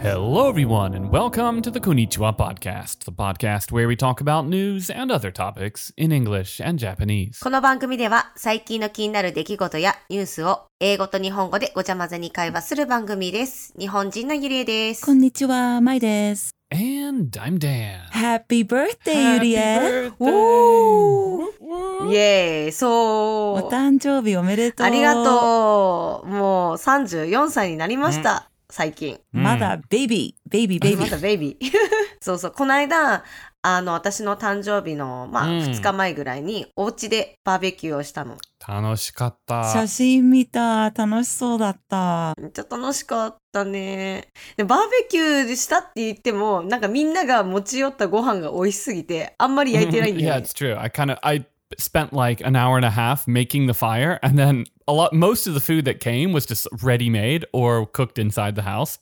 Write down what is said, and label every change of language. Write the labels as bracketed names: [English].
[English] Hello, everyone, and welcome to the こんにちは podcast, the podcast where we talk about news and other topics in English and Japanese. [Japanese] この番組では最近の気になる出来事やニュースを英語と日本語でごちゃ混ぜに会話する番組です。日本人のゆりえです。こんにちは、まいです。 [English] And I'm Dan. Happy birthday, Yurie! Happy birthday! Woo! Yay! So, [Japanese] お誕生日おめでとう。ありがとう。もう34歳になりました。最近。まだベイビー。ベイビー、ベイビー。まだベイビー。そうそう。この間、あの、私の誕生日の、まあ、2日前ぐらいに、お家でバーベキューをしたの。楽しかった。写真見た。楽しそうだった。めっちゃ楽しかったね。で、バーベキューしたって言っても、なんかみんなが持ち寄ったご飯が美味しすぎて、あんまり焼いてないんだよね。 [English] Yeah, it's true. I kind of, I spent like an hour and a half making the fire, and then... A lot, most of the food that came was just ready-made or cooked inside the house.